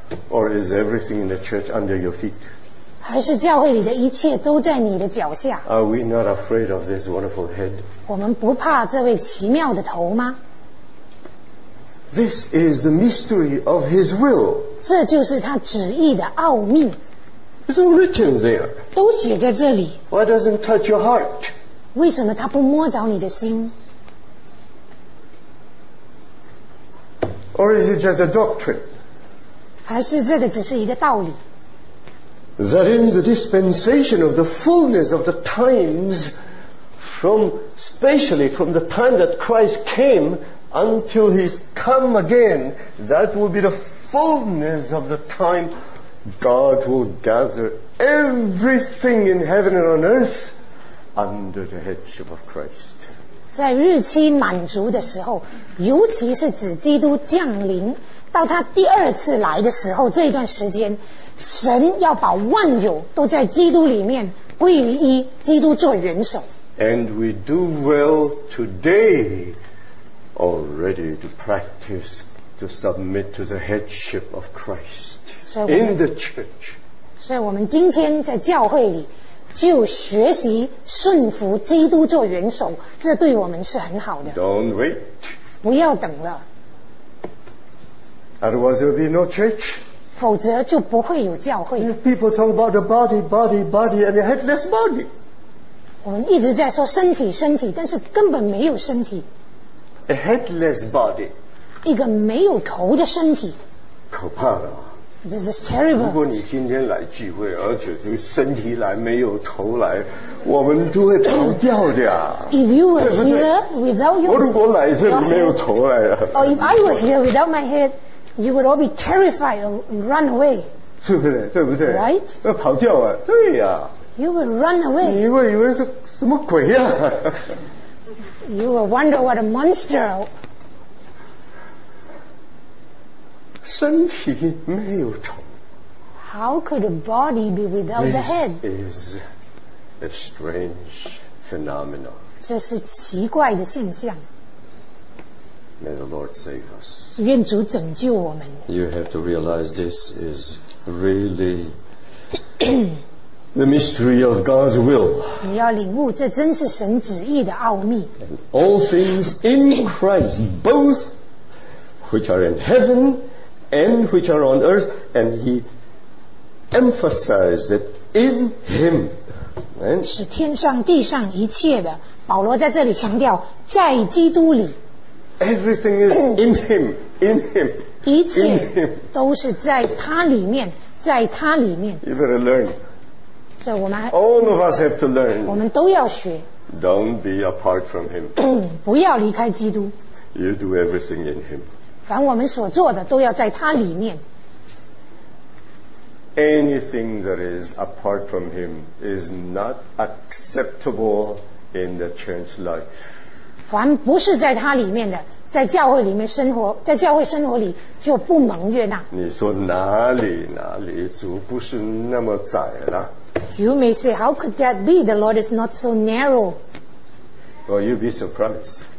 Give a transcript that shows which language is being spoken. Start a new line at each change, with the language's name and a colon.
English: Or is everything in the church under your feet?
Chinese: 还是教会里的一切都在你的脚下？
English: Are we not afraid of this wonderful head?
Chinese: 我们不怕这位奇妙的头吗？
English: This is the mystery of his will.
Chinese: 这就是他旨意的奥秘。
English: It's all written there.
Chinese: 都写在这里。
English: Why doesn't touch your heart?
Chinese: 为什么他不摸着你的心？
English: Or is it just a doctrine?
Chinese: 还是这个只是一个道理？
English: That in the dispensation of the fullness of the times, especially from the time that Christ came until he's come again, that will be the fullness of the time. God will gather everything in heaven and on earth under the headship of Christ.
Chinese: 在日期满足的时候，尤其是指基督降临到他第二次来的时候，这段时间，神要把万有都在基督里面归于一，基督做元首。
English: And we do well today already to practice to submit to the headship of Christ. In the church.
Chinese: 所以我们今天在教会里就学习顺服基督做元首，这对我们是很好的。
English: Don't wait.
Chinese: 不要等了。
English: Otherwise there will be no church.
Chinese: 否则就不会有教会。
English: People talk about the body, body, body and a headless body.
Chinese: 我们一直在说身体身体，但是根本没有身体。
English: A headless body.
Chinese: 一个没有头的身体。可怕了。
English: This is terrible.
Chinese: 如果你今天来聚会，而且就身体来没有头来，我们都会跑掉的呀。
English: If you were here without your,
Chinese: 我如果来这里没有头来啊。
English: Oh, if I were here without my head, you would all be terrified and run away.
Chinese: 是不是？对不对
English: ？Right?
Chinese: 要跑掉啊！对呀。
English: You would run away.
Chinese: 你会以为是什么鬼呀、
English: 啊、？You would wonder what a monster.
Chinese: 身体没有头。
English: How could a body be without the head? This is a strange phenomenon.
Chinese: 这是奇怪的现象。
English: May the Lord save us.
Chinese: 愿主拯救我们。
English: You have to realize this is really the mystery of God's will.
Chinese: 你要领悟，这真是神旨意的奥秘。
English: And all things in Christ, both which are in heaven. And which are on earth, and he emphasized that in him.
Chinese: 是天上地上一切的，保罗在这里强调，在基督里。
English: Everything is in him, in him.
Chinese: 一切都是在他里面，在他里面。
English: You better learn. So we all of us have to learn.
Chinese: 我们都要学。
English: Don't be apart from him.
Chinese: 不要离开基督。
English: You do everything in him.
Chinese: 凡我们所做的都要在他里面。
English: Anything that is apart from him is not acceptable in the church life.
Chinese: 凡不是在他里面的，在教会里面生活，在教会生活里就不蒙悦纳。你说哪里哪里主不是那么窄了？
English: You may say, how could that be? The Lord is not so narrow. Well, you'd be surprised.